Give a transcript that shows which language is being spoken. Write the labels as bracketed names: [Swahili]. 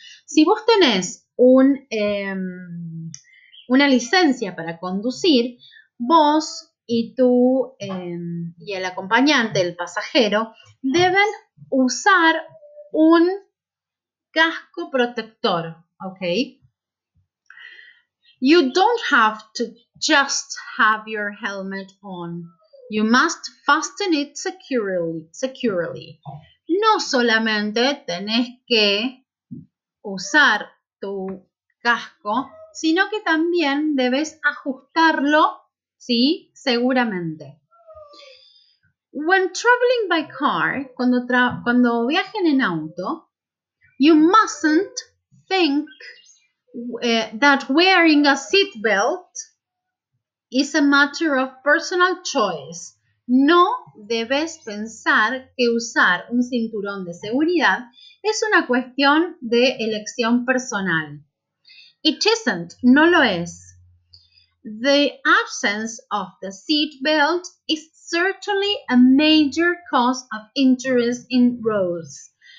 [Spanish] Si vos tenés una licencia para conducir, vos y tú y el acompañante, el pasajero, deben usar un casco protector, ¿ok? [English] You don't have to just have your helmet on. You must fasten it securely. [Spanish] No solamente tenés que usar tu casco, sino que también debes ajustarlo, ¿sí? Seguramente. [English] When traveling by car, [Spanish] cuando viajen en auto, [English] you mustn't think that wearing a seatbelt is a matter of personal choice. [Spanish] No debes pensar que usar un cinturón de seguridad es una cuestión de elección personal. [English] It isn't, [Spanish] no lo es. [English] The absence of the seatbelt is certainly a major cause of injuries in roads.